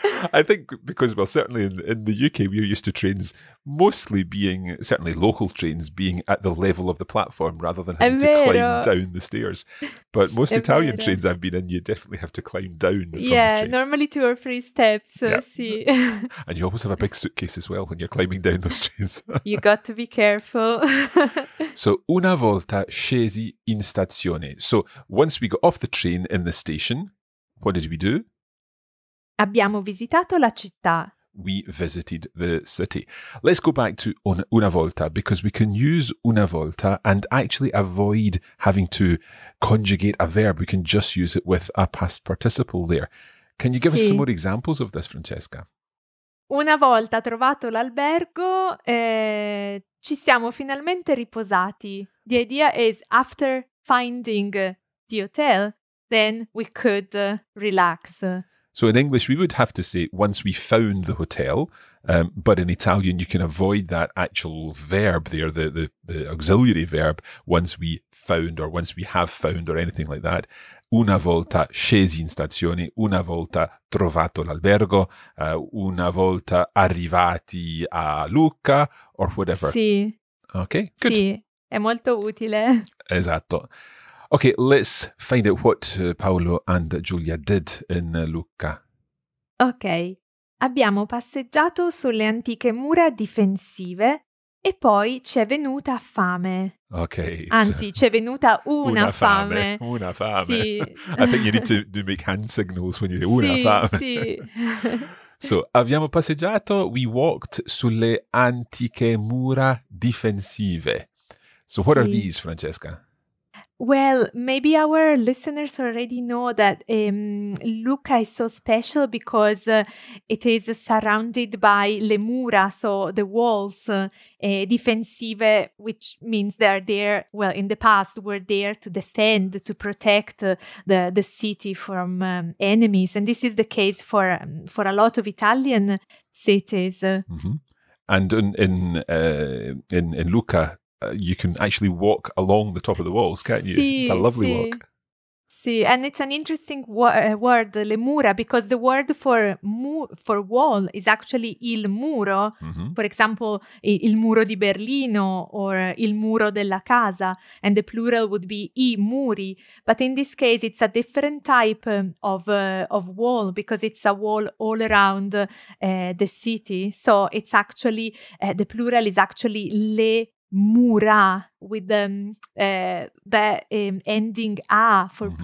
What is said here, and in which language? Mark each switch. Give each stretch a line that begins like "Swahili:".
English: I think because, well, certainly in the UK, we're used to trains mostly being, certainly local trains, being at the level of the platform rather than having to climb down the stairs. But most
Italian: è
English: Italian
Italian: vero.
English: Trains I've been in, you definitely have to climb down. Yeah, the train. Normally 2 or 3 steps, yeah.
Italian: Sì.
English: And you always have a big suitcase as well when you're climbing down those trains. You got to be careful.
Italian: So, una volta scesi in stazione.
English: So, once we got off the train in the station, what did we do?
Italian: Abbiamo visitato la città.
English: we visited the city. Let's go back to una volta, because we can use una volta and actually avoid having to conjugate a verb. We can just use it with a past participle there. Can you give us some more examples of this, Francesca?
Italian: Una volta trovato l'albergo, ci siamo finalmente riposati.
English: The idea is, after finding the hotel, then we could relax. So in English, we would have to say, once we found the hotel, but in Italian, you can avoid that actual verb there, the auxiliary verb, once we found or once we have found or anything like that.
Italian: Una volta scesi in stazione, una volta trovato l'albergo, una volta arrivati a Lucca,
English: or whatever.
Italian: Sì.
English: Okay, good.
Italian: Sì, è molto utile. Esatto.
English: Okay, let's find out what Paolo and Giulia did in Lucca.
Italian: Okay, abbiamo passeggiato sulle antiche mura difensive e poi ci è venuta fame.
English: Okay.
Italian: Anzi, ci è venuta una fame. Una fame. Sì.
English: I think you need to do make hand signals when you say una fame.
Italian: Sì. So, abbiamo passeggiato,
English: we walked
Italian: sulle antiche mura difensive.
English: So, what are these, Francesca? Well, maybe our listeners already know that Lucca is so special because it is surrounded by le mura, so the walls, difensive, which means they are there, well, in the past, were there to defend, to protect the city from enemies. And this is the case for a lot of Italian cities. Mm-hmm. And in Lucca, you can actually walk along the top of the walls, can't you?
Italian: Sì,
English: it's a lovely walk.
Italian: Sì,
English: and it's an interesting word, le mura, because the word for wall is actually il muro. Mm-hmm. For example,
Italian: il muro di Berlino or il muro della casa,
English: and the plural would be
Italian: i muri.
English: But in this case, it's a different type of wall, because it's a wall all around the city. So it's actually, the plural is actually le mura, with the ending a for mm-hmm.